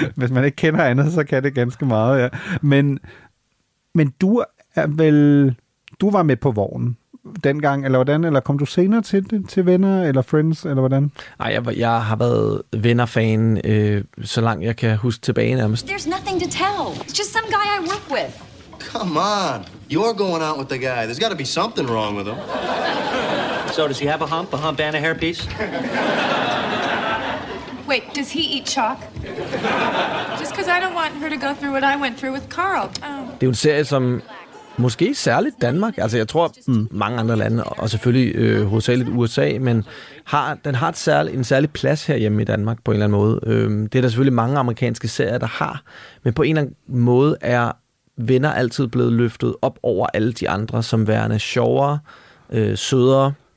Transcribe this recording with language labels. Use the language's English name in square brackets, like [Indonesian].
[Danish] Hvis man ikke kender andet, så kan det ganske meget, ja. Men du er vel... Du var med på vognen dengang, eller hvordan? Eller kom du senere til det, til Venner eller Friends, eller hvordan? Nej, jeg har været Venner-fan, så langt jeg kan huske tilbage nærmest. [English] There's nothing to tell. It's just some guy I work with. Come on. You're going out with the guy. There's got to be something wrong with him. So, does he have a hump and a hairpiece? Wait, does he eat chalk? Just because I don't want her to go through what I went through with Carl. [Danish] Det er en serie, som... Måske særligt Danmark, altså jeg tror mange andre lande, og selvfølgelig hovedsageligt USA, men den har en særlig plads herhjemme i Danmark på en eller anden måde. Det er der selvfølgelig mange amerikanske serier, der har, men på en eller anden måde er Venner altid blevet løftet op over alle de andre som værende sjovere, sødere.